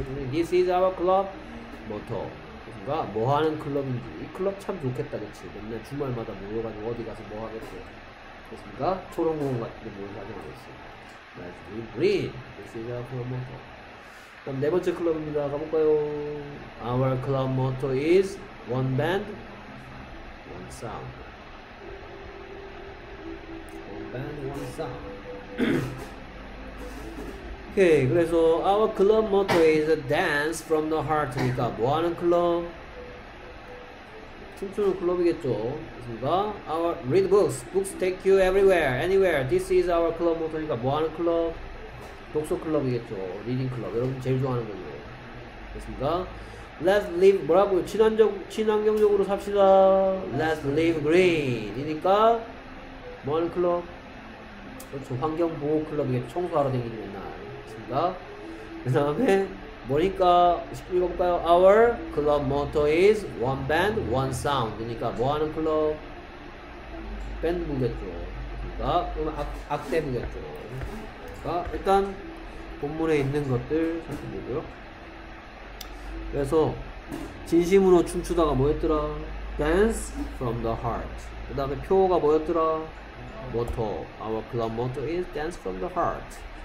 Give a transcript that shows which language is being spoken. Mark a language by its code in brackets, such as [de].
[en] This is our club motto. [ko] 뭔가 뭐 하는 클럽인지. 이 클럽 참 좋겠다, 그치? 맨날 주말마다 모여가지고 어디 가서 뭐 하겠어요. 그렇습니까? 초록 공원 같은 데 모여서 하지 말겠어요. [en] Let's live green. This is our club motto. [ko] 그럼 네 번째 클럽입니다. 가볼까요? [en] Our club motto is one band, one sound. One band, one sound. 오케이. 그래서 our club motto is a dance from the heart. [ko] 그러니까 뭐 하는 클럽? 춤추는 클럽이겠죠. 그렇습니까? [en] Read books. Books take you everywhere, anywhere. This is our club motto. [ko] 그러니까 뭐 하는 클럽? 독서 클럽이겠죠. 리딩 클럽. 여러분 제일 좋아하는 거죠. 그렇습니까? [en] Let's live, [ko] 뭐라고요? 친환경적으로 삽시다. [en] Let's live green. [ko] 이니까, 뭐 하는 클럽? 그렇죠. 환경보호클럽에게 청소하러 다니기 맨날 있습니다. 그 다음에 뭐니까 17번가요? [en] Our club motto is one band, one sound. [ko] 그러니까 뭐하는 클럽? 밴드부겠죠. 그러니까 악대부겠죠. 그러니까 일단 본문에 있는 것들 살펴보고요. 그래서 진심으로 춤추다가 뭐였더라? [en] Dance from the heart. [ko] 그 다음에 표어가 뭐였더라? [en] Motto. Our club motto is dance from the heart.